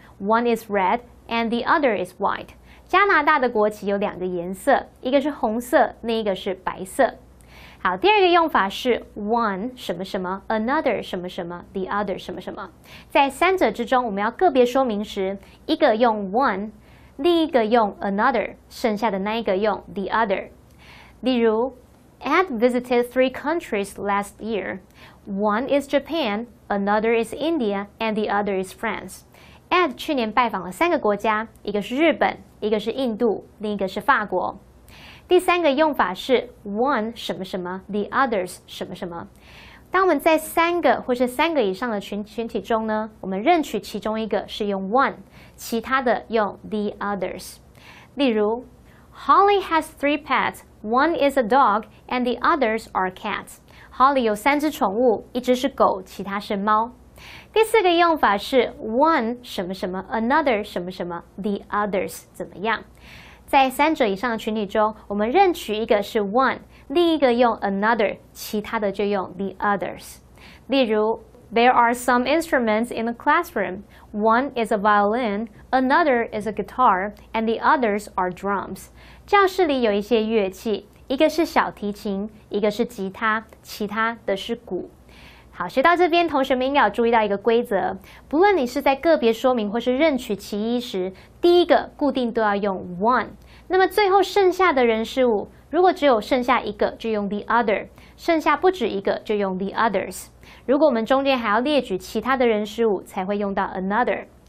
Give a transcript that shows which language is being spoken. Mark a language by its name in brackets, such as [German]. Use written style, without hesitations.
[English] One is red and the other is white. [Chinese] 加拿大的国旗有两个颜色，一个是红色，另一个是白色。好，第二个用法是 one 什么什么 ，another 什么什么 ，the other 什么什么。在三者之中，我们要个别说明时，一个用 one。另一个用 another， 剩下的那一个用 the other。例如 [English] ，Ed visited three countries last year. One is Japan, another is India, and the other is France. [Chinese] Ed 去年拜访了三个国家，一个是日本，一个是印度，另一个是法国。第三个用法是 one 什么什么 ，the others 什么什么。当我们在三个或是三个以上的群体中呢，我们任取其中一个是用 one， 其他的用 the others。 [English] 例如 ，Holly has three pets. One is a dog, and the others are cats. [Chinese] Holly 有三只宠物，一只是狗，其他是猫。第四个用法是 one 什么什么 another 什么什么 the others 怎么样？在三者以上的群体中，我们任取一个是 one， 另一个用 another， 其他的就用 the others。例如 [English] ，There are some instruments in the classroom. One is a violin, another is a guitar, and the others are drums. [Chinese] 教室里有一些乐器，一个是小提琴，一个是吉他，其他的是鼓。好，学到这边，同学们应该有注意到一个规则，不论你是在个别说明或是任取其一时，第一个固定都要用 one， 那么最后剩下的人事物，如果只有剩下一个就用 the other， 剩下不止一个就用 the others， 如果我们中间还要列举其他的人事物才会用到 another。